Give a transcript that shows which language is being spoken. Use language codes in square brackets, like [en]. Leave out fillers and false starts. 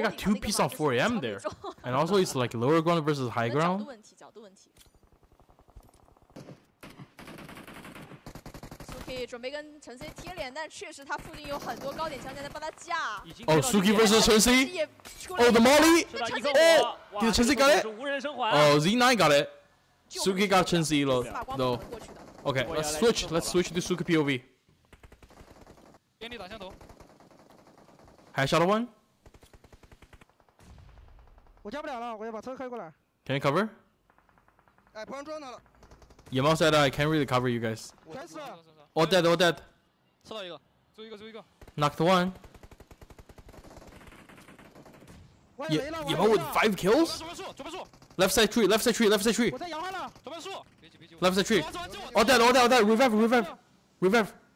[zh] 顶。 [en] He got two pieces on 4 AM there, and also it's like lower ground versus high ground. [zh] 角度问题，角度问题。 Suki 准备跟陈 C 贴脸，但确实他附近有很多高点枪在帮他架。 [en] Oh, Suki versus 陈 C. Oh, the Molly. Oh, did 陈 C got it? Oh, Z9 got it. Suki got 陈 C 了 ，though. Okay, let's switch. Let's switch to Suki POV. [zh] 还下了弯，我加不了了，我要把车开过来。 [en] Can you cover？ [zh] 哎，不让撞他了。 [en] 野猫 said I can't really cover you guys。 [zh] 开始。 [en] All dead, all dead。 [zh] 吃到一个，追一个，追一个。 [en] Knocked one。野猫 with 5 kills。 [zh] 左边树，左边树。 [en] Left side tree, left side tree, left side tree。 [zh] 我在摇花呢，左边树。 [en] Left side tree。 All dead, all dead, all dead. Revive, revive, revive。